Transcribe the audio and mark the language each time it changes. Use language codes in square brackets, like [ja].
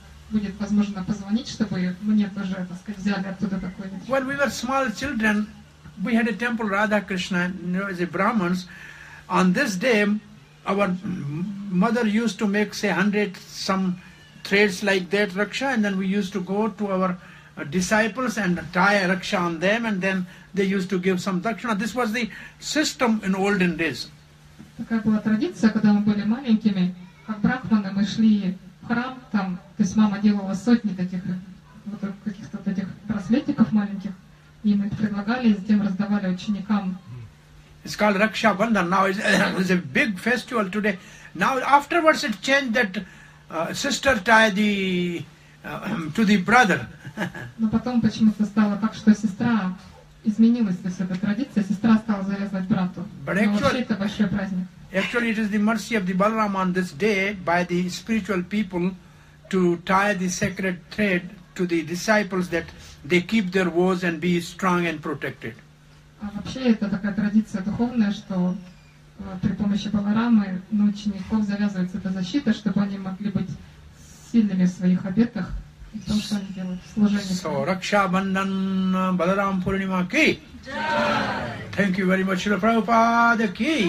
[ru] Будет возможно позвонить, чтобы мне тоже, так сказать, взяли оттуда такой. [en] When we were small children, we had a temple Radha Krishna, you know, as a Brahmins. On this day, our mother used to make, say, 100 some threads like that, raksha, and then we used to go to our disciples and tie a raksha on them, and then they used to give some dakshina. This was the system in olden days. [ru] Такая была традиция, когда мы были маленькими, как брахманы мы шли в храм там, то есть мама делала сотни таких вот каких-то вот этих браслетиков маленьких, и мы предлагали, и затем раздавали ученикам. [en] It's called Raksha Bandhan. Now it's a big festival today. Now afterwards it changed that sister tied the to the brother. [ru] Но потом почему-то стало так, что сестра изменилась, то есть эта традиция, сестра стала завязывать брату. [en] But [ru] но [en] actually, [ru] вообще это большой праздник. [en] Actually, it is the mercy of the Balaram on this day by the spiritual people to tie the sacred thread to the disciples that they keep their vows and be strong and protected. [ru] Вообще это такая традиция духовная, что при помощи Баларамы на учеников завязывается эта защита, чтобы они могли быть сильными в своих обетах и в том, что они делают в служении. [en] So, Raksha Bandhan Balaram Purnima Ki. Jai. Thank you very much, Srila Prabhupada Ki.